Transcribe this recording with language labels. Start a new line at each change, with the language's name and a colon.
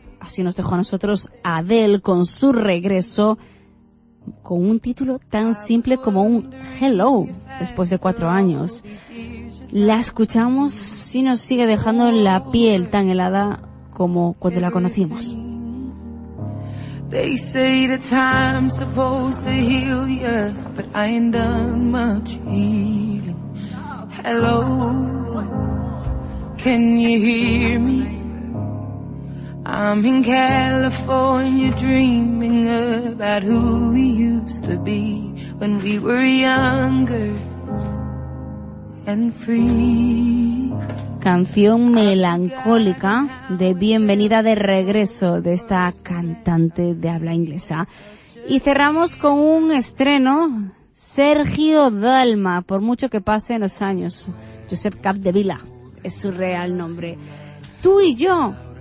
Spanish: Así nos dejó a nosotros Adele con su regreso, con un título tan simple como un Hello, después de 4 años. La escuchamos y nos sigue dejando la piel tan helada como cuando la conocimos.
English: They say the time's supposed to heal ya, but I ain't done much healing. Hello, can you hear me? I'm in California dreaming about who we used to be when we were younger and free.
Spanish: Canción melancólica de bienvenida de regreso de esta cantante de habla inglesa. Y cerramos con un estreno, Sergio Dalma, por mucho que pasen los años. Josep Capdevila es su real nombre. Tú y yo.